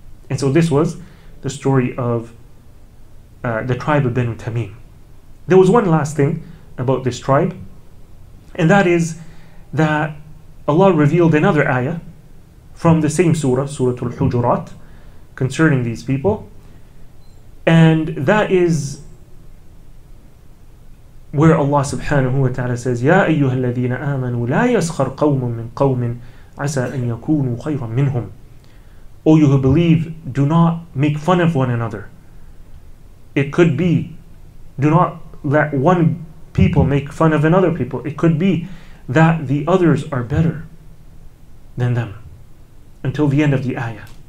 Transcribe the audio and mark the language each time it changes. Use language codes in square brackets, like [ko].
[en] And so this was the story of the tribe of Banu Tamim. There was one last thing about this tribe, and that is that Allah revealed another ayah from the same surah, Surah Al-Hujurat, concerning these people. And that is where Allah subhanahu wa ta'ala says, [ar] يَا أَيُّهَا الَّذِينَ آمَنُوا لَا يَسْخَرْ قَوْمٌ مِّن قَوْمٍ عَسَىٰ أَن يَكُونُوا خَيْرًا مِّنْهُمْ. [en] O you who believe, do not make fun of one another. It could be, do not let one people make fun of another people. It could be that the others are better than them, until the end of the ayah.